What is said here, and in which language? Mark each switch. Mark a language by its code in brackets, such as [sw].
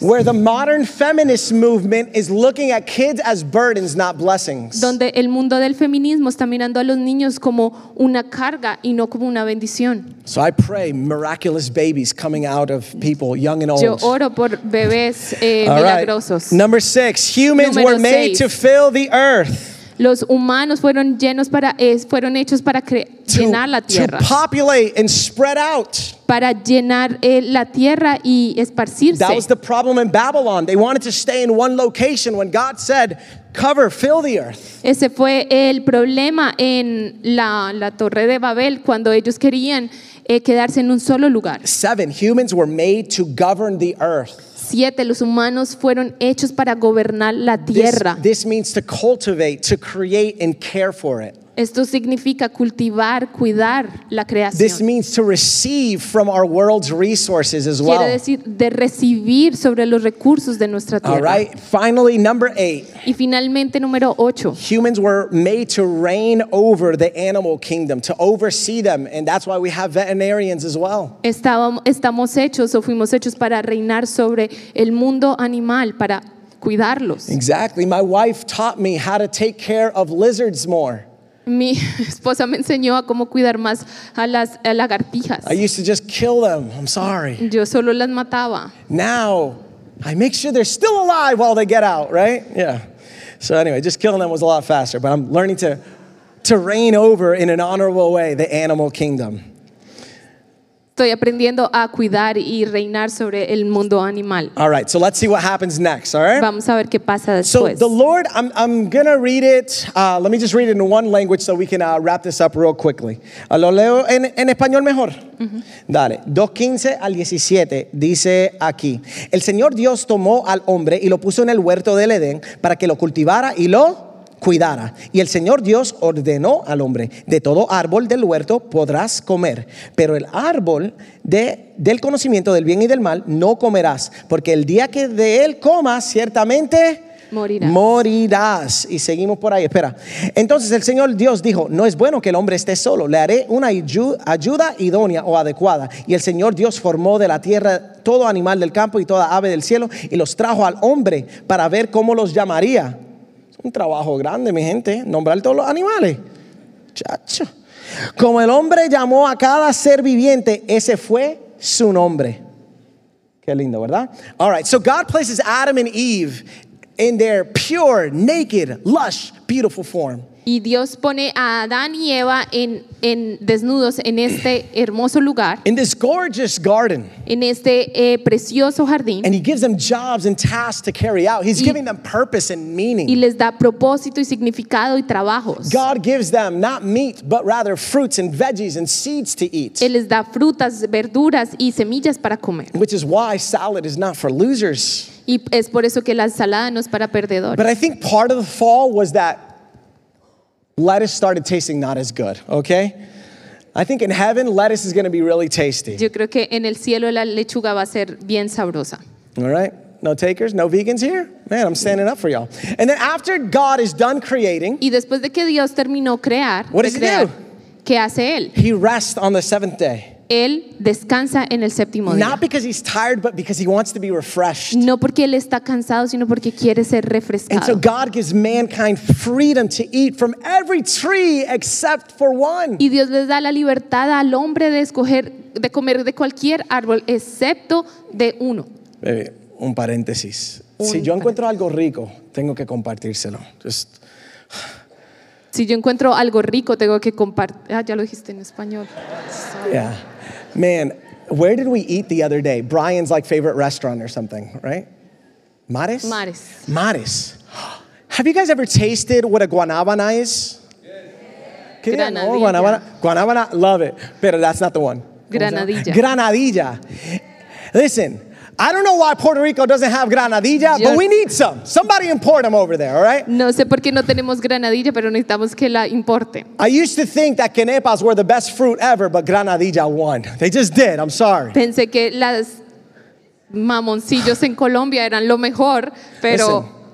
[en] Where the modern feminist movement is looking at kids as burdens, not blessings. [es] Donde el mundo del feminismo está mirando a los niños como una carga y no como una bendición. [en] So I pray miraculous babies coming out of people, young and old. [es] Yo oro por bebés milagrosos. [en] Right. Number six, humans were made to fill the earth. [es] Los humanos fueron llenos para fueron hechos para llenar la tierra. [en] To populate and spread out. [es] Para llenar la tierra y esparcirse. [en] That was the problem in Babylon. They wanted to stay in one location when God said, "Cover, fill the earth." [es] Ese fue el problema en la Torre de Babel cuando ellos querían quedarse en un solo lugar. [en] Seven, humans were made to govern the earth. [es] Siete, los humanos fueron hechos para gobernar la tierra. [en] This means to cultivate, to create and care for it. [es] Esto significa cultivar, cuidar la creación. [en] This means to receive from our world's resources as well. [es] Quiere decir de recibir sobre los recursos de nuestra tierra. [en] All right. Finally, number eight. [es] Y finalmente, número ocho. [en] Humans were made to reign over the animal kingdom, to oversee them, and that's why we have veterinarians as well. [es] Estamos hechos o fuimos hechos para reinar sobre el mundo animal, para cuidarlos. [en] Exactly. My wife taught me how to take care of lizards more. [es] Mi esposa me enseñó a cómo cuidar más a las lagartijas. [en] I used to just kill them. I'm sorry. [es] Yo solo las mataba. [en] Now, I make sure they're still alive while they get out, right? Yeah. So anyway, just killing them was a lot faster, but I'm learning to reign over in an honorable way the animal kingdom. [es] Estoy aprendiendo a cuidar y reinar sobre el mundo animal. [en] All right, so let's see what happens next, all right? [es] Vamos a ver qué pasa después. [en] So the Lord, I'm going to read it. Let me just read it in one language so we can wrap this up real quickly. [es] Lo leo en español mejor. Uh-huh. Dale, 2:15 al 17 dice aquí. El Señor Dios tomó al hombre y lo puso en el huerto del Edén para que lo cultivara y lo cuidara. Y el Señor Dios ordenó al hombre, de todo árbol del huerto podrás comer, pero el árbol del conocimiento del bien y del mal no comerás, porque el día que de él comas, ciertamente morirás. Y seguimos por ahí, espera. Entonces el Señor Dios dijo, no es bueno que el hombre esté solo, le haré una ayuda idónea o adecuada. Y el Señor Dios formó de la tierra todo animal del campo y toda ave del cielo y los trajo al hombre para ver cómo los llamaría. Un trabajo grande, mi gente, nombrar todos los animales. Chacho. Como el hombre llamó a cada ser viviente, ese fue su nombre. Qué lindo, ¿verdad? [en] All right, so God places Adam and Eve in their pure, naked, lush, beautiful form. [es] Y Dios pone a Adán y Eva en desnudos en este hermoso lugar. [en] In this gorgeous garden. [es] En este precioso jardín. [en] And he gives them jobs and tasks to carry out. He's giving them purpose and meaning. [es] Y les da propósito y significado y trabajos. [en] God gives them not meat, but rather fruits and veggies and seeds to eat. [es] Él les da frutas, verduras y semillas para comer. [en] Which is why salad is not for losers. [es] Y es por eso que la ensalada no es para perdedores. [en] But I think part of the fall was that lettuce started tasting not as good, okay? I think in heaven, lettuce is going to be really tasty. [es] Yo creo que en el cielo la lechuga va a ser bien sabrosa. [en] All right. No takers, no vegans here? Man, I'm standing up for y'all. And then after God is done creating, [es] y después de que Dios terminó crear, [en] what does he do? [es] ¿Qué hace él? [en] He rests on the seventh day. [es] Él descansa en el séptimo día. [en] Not because he's tired, but because he wants to be refreshed. [es] No porque él está cansado, sino porque quiere ser refrescado. [en] And so God gives mankind freedom to eat from every tree except for one. [es] Y Dios les da la libertad al hombre de escoger, de comer de cualquier árbol excepto de uno. [en] Baby, [es] un paréntesis. Si yo encuentro algo rico, tengo que compartírselo. Si yo encuentro algo rico, tengo que compartir. Ah, ya lo dijiste en español. [en] Sorry. Yeah. Man, where did we eat the other day? Brian's like favorite restaurant or something, right? Mares? Mares. Mares. Have you guys ever tasted what a guanabana is? Yes. Granadilla. Oh, guanabana. Guanabana, love it. [es] Pero [en] that's not the one. Granadilla. Granadilla. Listen, I don't know why Puerto Rico doesn't have granadilla, but we need some. Somebody import them over there, all right? [es] No sé por qué no tenemos granadilla, pero necesitamos que la importe. [en] I used to think that quenepas were the best fruit ever, but granadilla won. They just did. I'm sorry. [es] Pensé que las mamoncillos en Colombia eran lo mejor, pero